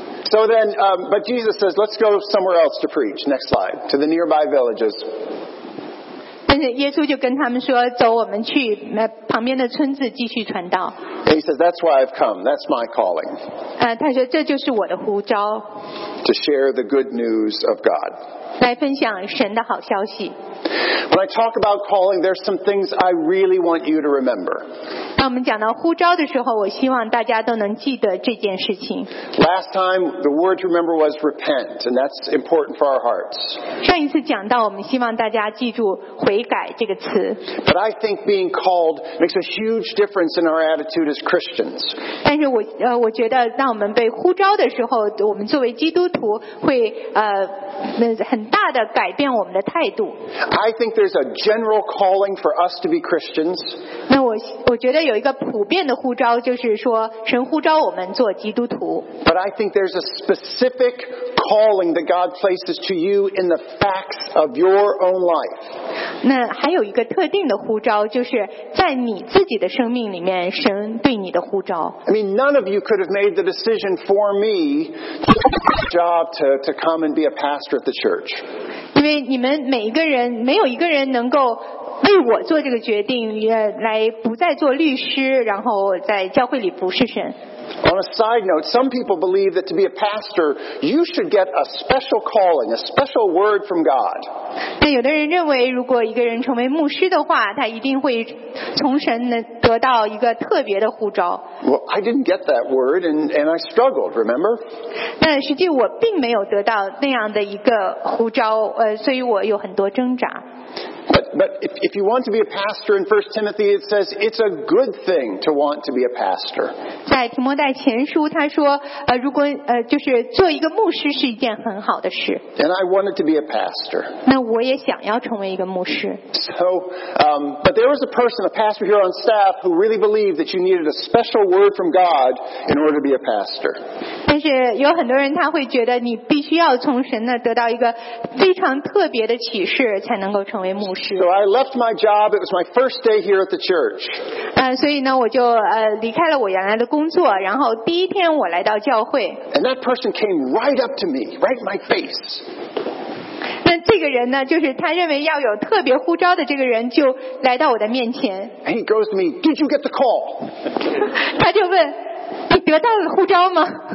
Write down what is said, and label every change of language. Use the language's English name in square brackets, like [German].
[English] So then, but Jesus says, let's go somewhere else to preach. Next slide. To the nearby villages. [Chinese] 但是耶稣就跟他们说，走，我们去旁边的村子继续传道。 [English] And he says, that's why I've come. That's my calling. [Chinese] 他说，这就是我的呼召。 [English] To share the good news of God. [Chinese] 来分享神的好消息。 [English] When I talk about calling, there's some things I really want you to remember. [Chinese] 当我们讲到呼召的时候，我希望大家都能记得这件事情。 [English] Last time, the word to remember was repent, and that's important for our hearts. [Chinese] 上一次讲到，我们希望大家记住悔改这个词。 [English] But I think being called makes a huge difference in our attitude as Christians. [Chinese] 但是我觉得当我们被呼召的时候，我们作为基督徒会很大的改变我们的态度。 [English] I think there's a general calling for us to be Christians. [Chinese] 那我觉得有一个普遍的呼召，就是说神呼召我们做基督徒。 [English] But I think there's a specific calling that God places to you in the facts of your own life. [Chinese] 那还有一个特定的呼召，就是在你自己的生命里面，神对你的呼召。 [English] I mean, none of you could have made the decision for me to get a job to come and be a pastor at the church. [Chinese] 因为你们每一个人没有一个人能够为我做这个决定，来不再做律师，然后在教会里服侍神。 [English] On a side note, some people believe that to be a pastor, you should get a special calling, a special word from God. [Chinese] 那有的人认为，如果一个人成为牧师的话，他一定会从神能得到一个特别的呼召。 [English] Well, I didn't get that word, and I struggled. Remember? [Chinese] 但实际我并没有得到那样的一个呼召，所以我有很多挣扎。 [English] But if you want to be a pastor, in 1 Timothy it says it's a good thing to want to be a pastor. [Chinese] 在提摩太前书他说，如果就是做一个牧师是一件很好的事。 [English] And I wanted to be a pastor. [Chinese] 那我也想要成为一个牧师。 [English] So, but there was a person, a pastor here on staff, who really believed that you needed a special word from God in order to be a pastor. [Chinese] 但是有很多人他会觉得你必须要从神那得到一个非常特别的启示才能够成为牧师。 [English] So I left my job. It was my first day here at the church. [Chinese] 所以呢，我就离开了我原来的工作，然后第一天我来到教会。 [English] And that person came right up to me, right in my face. [Chinese] 那这个人呢，就是他认为要有特别呼召的这个人，就来到我的面前。 [English] And he goes to me, "Did you get the call?" [Chinese] 他就问，你得到了呼召吗